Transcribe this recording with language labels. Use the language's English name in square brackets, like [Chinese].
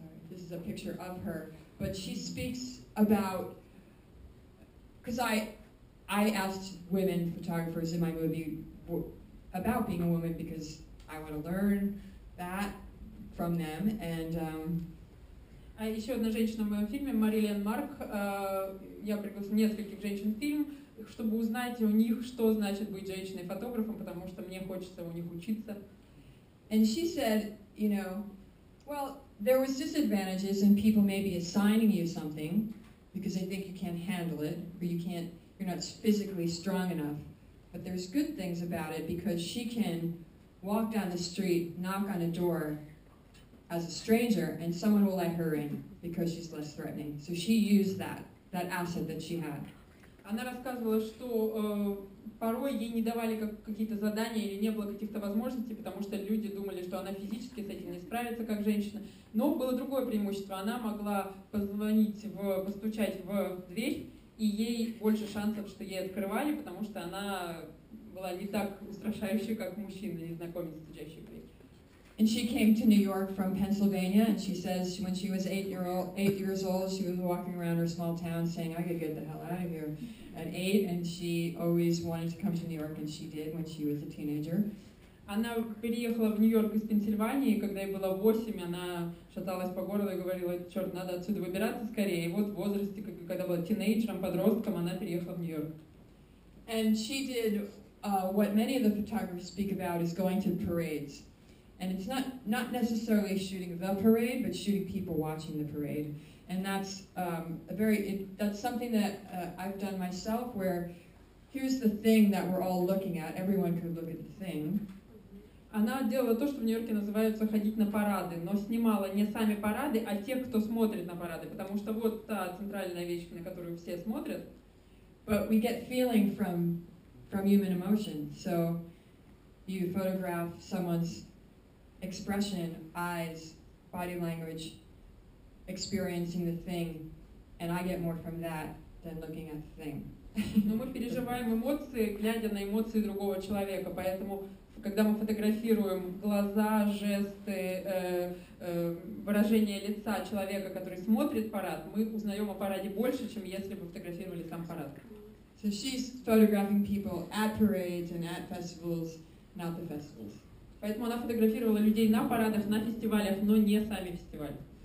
[English] this is a picture of her. But she speaks about... Because I asked women photographers in my movie about being a woman because I want to learn that from them, and... [Russian] Еще одна женщина в моем фильме, Марилен Марк, я пригласила нескольких женщин в фильм, чтобы узнать у них, что значит быть женщиной-фотографом, потому что мне хочется у них учиться. [English] And she said, you know, well, there was disadvantages and people may be assigning you something because they think you can't handle it, or you're not physically strong enough. But there's good things about it because she can walk down the street, knock on a door, as a stranger, and someone will let her in because she's less threatening. So she used that asset that she had. [Russian] Она рассказывала, что порой ей не давали какие-то задания или не было каких-то возможностей, потому что люди думали, что она физически с этим не справится как женщина. Но было другое преимущество. Она могла постучать в дверь, и ей больше шансов, что ей открывали, потому что она была не так устрашающей, как мужчина, незнакомец, стучащий в дверь. [English] And she came to New York from Pennsylvania, and she says when she was eight years old, she was walking around her small town saying, I could get the hell out of here at eight, and she always wanted to come to New York, and she did when she was a teenager. [Russian] Она переехала в Нью-Йорк из Пенсильвании, когда ей было 8, она шаталась по городу и говорила, черт, надо отсюда выбираться скорее. И вот в возрасте, когда была тинейджером, подростком, она переехала в Нью-Йорк. [English] And she did what many of the photographers speak about is going to parades. And it's not necessarily shooting the parade, but shooting people watching the parade. And that's that's something that I've done myself, where here's the thing that we're all looking at. Everyone could look at the thing. [Russian] Она делала то, что в Нью-Йорке называется ходить на парады, но снимала не сами парады, а тех, кто смотрит на парады, потому что вот та центральная вещь, на которую все смотрят. [English] But we get feeling from human emotion. So you photograph someone's expression, eyes, body language, experiencing the thing, and I get more from that than looking at the thing. [Russian] Но мы переживаем эмоции, глядя на эмоции другого человека, поэтому, когда мы фотографируем глаза, жесты, выражение лица человека, который смотрит парад, мы узнаем о параде больше, чем если бы фотографировали сам парад. [English] So she's photographing people at parades and at festivals, not the festivals. [Russian] Поэтому она фотографировала людей на парадах, на фестивалях, но не сами фестивали.